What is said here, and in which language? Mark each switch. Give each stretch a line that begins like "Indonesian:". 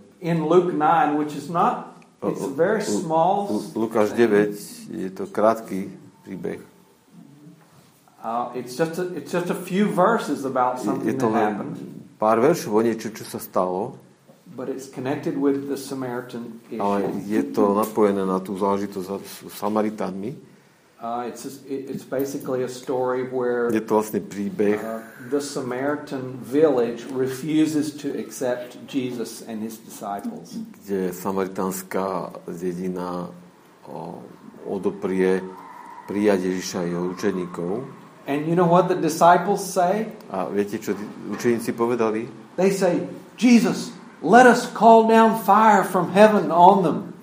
English: in Luke 9, which is not, it's very small.
Slovak: Lukáš 9 je to krátky príbeh.
English: It's just a few verses about something that happened.
Slovak: Je to pár veršov o niečo, čo sa stalo.
English: But it's connected with the Samaritan issue.
Slovak: Ale je to napojené na tú záležitosť s Samaritánmi.
English: It's basically a story where
Slovak: je to vlastne príbeh.
English: The Samaritan village refuses to accept Jesus and his disciples.
Slovak: Kde samaritánska dedina odoprie prijať Ježiša a jeho učeníkov.
English: And you know what the disciples say?
Slovak: A viete, čo učeníci povedali?
English: They say, Jesus, let us call down fire from heaven on them.